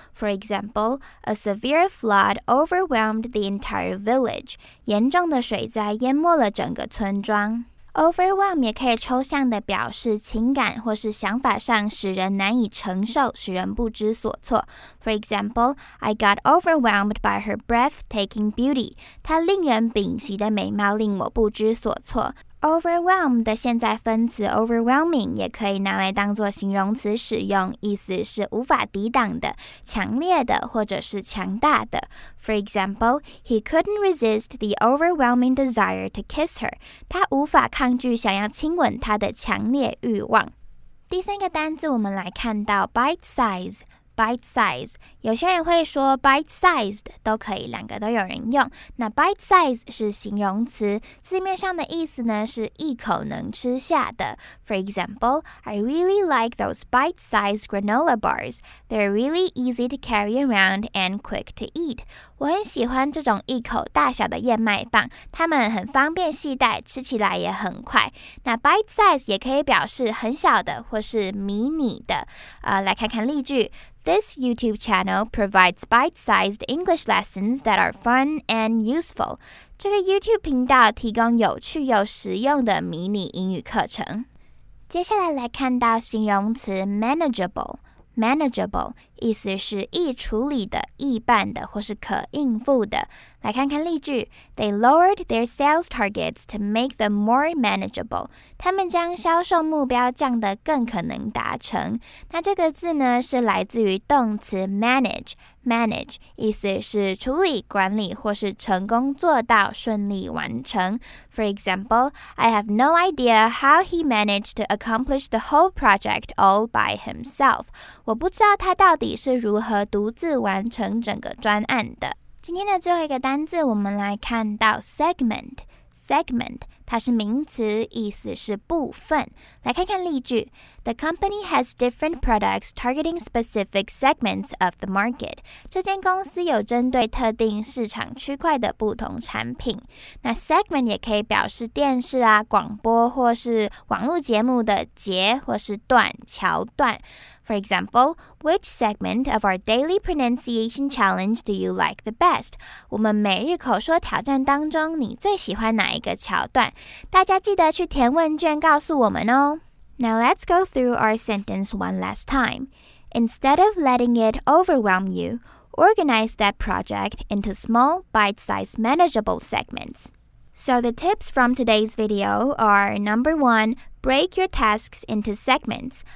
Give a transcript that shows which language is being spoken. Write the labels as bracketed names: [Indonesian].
[English] For example, a severe flood overwhelmed the entire village. [Chinese] 严重的水灾淹没了整个村庄。 Overwhelm 也可以抽象的表示情感或是想法上使人难以承受，使人不知所措。 [English] For example, I got overwhelmed by her breathtaking beauty. [Chinese] 她令人屏息的美貌令我不知所措。 Overwhelm 的现在分词 overwhelming 也可以拿来当作形容词使用，意思是无法抵挡的、强烈的或者是强大的。 [English] For example, he couldn't resist the overwhelming desire to kiss her. [Chinese] 他无法抗拒想要亲吻她的强烈欲望。第三个单字我们来看到 bite size。 bite size， 有些人会说 bite sized 都可以，两个都有人用。那 bite size 是形容词，字面上的意思呢是一口能吃下的。 [English] For example, I really like those bite sized granola bars. They're really easy to carry around and quick to eat. [Chinese] 我很喜欢这种一口大小的燕麦棒，它们很方便携带，吃起来也很快。那 bite size 也可以表示很小的或是迷你的。来看看例句。 [English] This YouTube channel provides bite-sized English lessons that are fun and useful. [Chinese] 这个 YouTube 频道提供有趣又实用的迷你英语课程。接下来来看到形容词 manageable。Manageable 意思是易处理的、易办的或是可应付的。来看看例句 [English] ，They lowered their sales targets to make them more manageable. [Chinese] 他们将销售目标降得更可能达成。那这个字呢，是来自于动词 manage。 Manage 意思是处理、管理或是成功做到、顺利完成。 [English] For example, I have no idea how he managed to accomplish the whole project all by himself. [Chinese] 我不知道他到底是如何独自完成整个专案的。今天的最后一个单字，我们来看到 segment。 Segment 它是名词，意思是部分。来看看例句 [English] ：The company has different products targeting specific segments of the market. [Chinese] 这间公司有针对特定市场区块的不同产品。那 segment 也可以表示电视啊、广播或是网络节目的节或是段、桥段。 [English] For example, which segment of our daily pronunciation challenge do you like the best? [Chinese] 我们每日口说挑战当中，你最喜欢哪一个桥段？大家记得去填问卷告诉我们哦。 [English] Now let's go through our sentence one last time. Instead of letting it overwhelm you, organize that project into small, bite-sized, manageable segments. So the tips from today's video are number one,Break your tasks into segments.